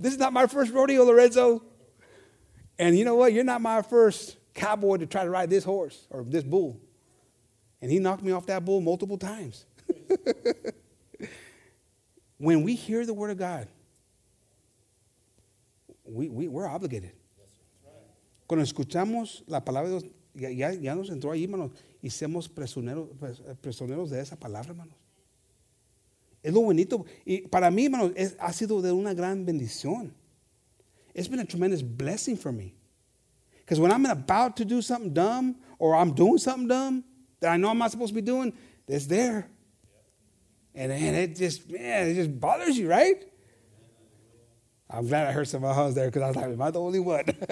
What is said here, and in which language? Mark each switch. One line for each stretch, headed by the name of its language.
English: This is not my first rodeo, Lorenzo. And you know what? You're not my first cowboy to try to ride this horse or this bull. And he knocked me off that bull multiple times. When we hear the word of God, we're obligated.
Spanish: Cuando escuchamos la palabra de Dios, ya nos entró ahí, hermanos, y somos prisioneros de esa palabra, hermanos. Es lo bonito. Y para mí, hermanos, ha sido de una gran bendición.
English: It's been a tremendous blessing for me. Because when I'm about to do something dumb, or I'm doing something dumb that I know I'm not supposed to be doing, it's there. And it just bothers you, right? I'm glad I heard some of my husband there, because I was like, am I the only one?